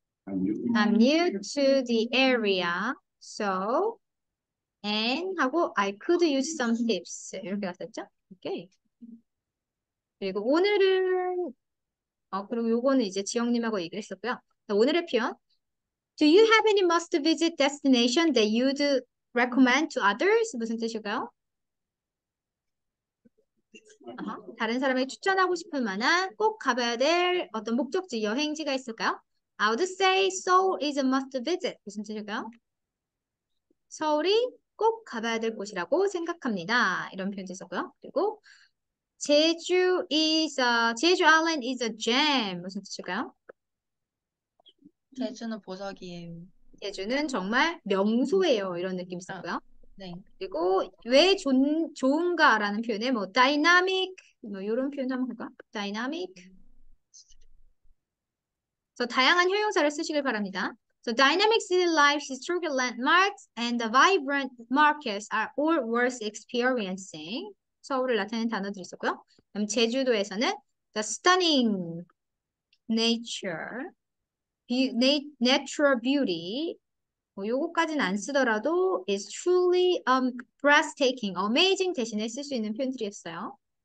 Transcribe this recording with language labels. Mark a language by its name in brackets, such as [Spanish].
[English] I'm new to the area, so and 하고 I could use some tips. [Korean] 이렇게 갔었죠? 오케이. 그리고 오늘은 그리고 요거는 이제 지영님하고 얘기했었고요. 오늘의 표현. [English] Do you have any must visit destination that you'd recommend to others? [Korean] 무슨 뜻일까요? 다른 사람이 추천하고 싶을 만한 꼭 가봐야 될 어떤 목적지, 여행지가 있을까요? [English] I would say Seoul is a must visit. [Korean] 무슨 뜻일까요? 서울이 꼭 가봐야 될 곳이라고 생각합니다. 이런 표현도 있었고요. 그리고 제주 [English] Island is a gem. [Korean] 무슨 뜻일까요? 제주는 보석이에요. 제주는 정말 명소예요. 이런 느낌이 아, 있었고요. 네. 그리고 왜 좋은가라는 표현에 뭐 다이나믹 뭐 이런 표현 한번 볼까? 다이나믹. 그래서 다양한 형용사를 쓰시길 바랍니다. [English] So dynamic city life, historical landmarks, and the vibrant markets are all worth experiencing. [Korean] 서울을 나타낸 단어들이 있었고요. 그럼 제주도에서는 [English] the stunning natural beauty. [Korean] 뭐 요거까지는 안 쓰더라도 [English] is truly breathtaking, amazing [Korean] 대신에 쓸수 있는 표현들이었어요.